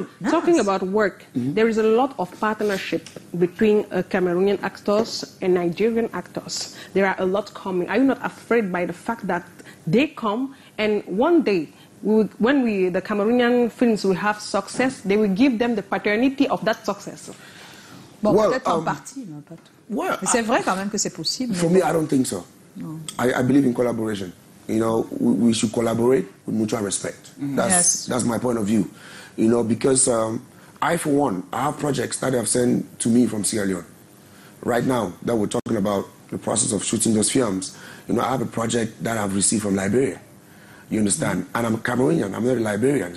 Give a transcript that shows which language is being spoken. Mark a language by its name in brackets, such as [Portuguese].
[English] Talking about work there is a lot of partnership between Cameroonian actors and Nigerian actors there are a lot coming are you not afraid by the fact that they come and one day the Cameroonian films will have success they will give them the paternity of that success [French] bon peut-être en partie mais pas tout mais c'est vrai quand même que c'est possible [English] for me I don't think so. I believe in collaboration. You know, we should collaborate with mutual respect. That's my point of view. You know, because I, for one, I have projects that they have sent to me from Sierra Leone. Right now, that we're talking about the process of shooting those films, you know, I have a project that I've received from Liberia. You understand? Mm-hmm. And I'm a Cameroonian. I'm not a Liberian.